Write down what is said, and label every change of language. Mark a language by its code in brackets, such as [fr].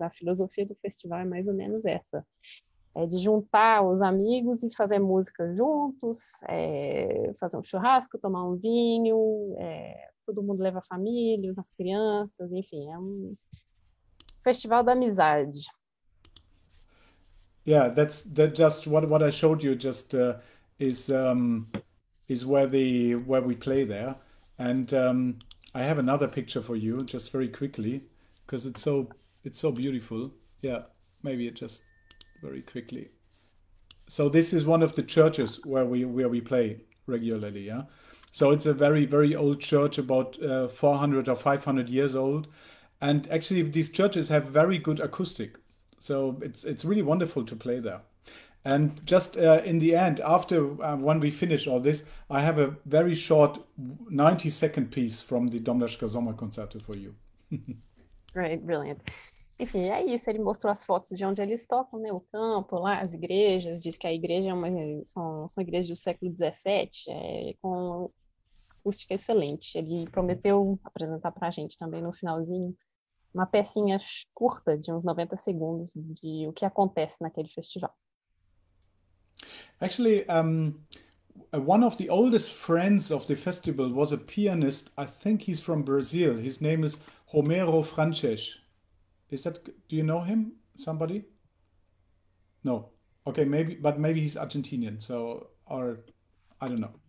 [pt] A filosofia do festival é mais ou menos essa. É de juntar os amigos e fazer música juntos, fazer um churrasco, tomar um vinho, todo mundo leva a família, as crianças, enfim, é um festival da amizade. [en] Yeah, that's just what I showed you just is where we play there. And I have another picture for you just very quickly, because it's so beautiful. Yeah, maybe it just very quickly. So this is one of the churches where we play regularly. Yeah, so it's a very, very old church, about 400 or 500 years old. And actually, these churches have very good acoustic. So it's really wonderful to play there. And just in the end, after when we finish all this, I have a very short 90 second piece from the Domschläger Sommerkonzerte for you. Great, brilliant. [pt] Enfim, é isso, ele mostrou as fotos de onde eles tocam, né? O campo lá, as igrejas, diz que a igreja são igrejas do século XVII, com acústica excelente. Ele prometeu apresentar para a gente também no finalzinho uma pecinha curta de uns 90 segundos de o que acontece naquele festival. [en] Actually, one of the oldest friends of the festival was a pianist, I think he's from Brazil, his name is Romero Frances. Is that, do you know him, somebody? No. Okay, maybe he's Argentinian, so, or I don't know.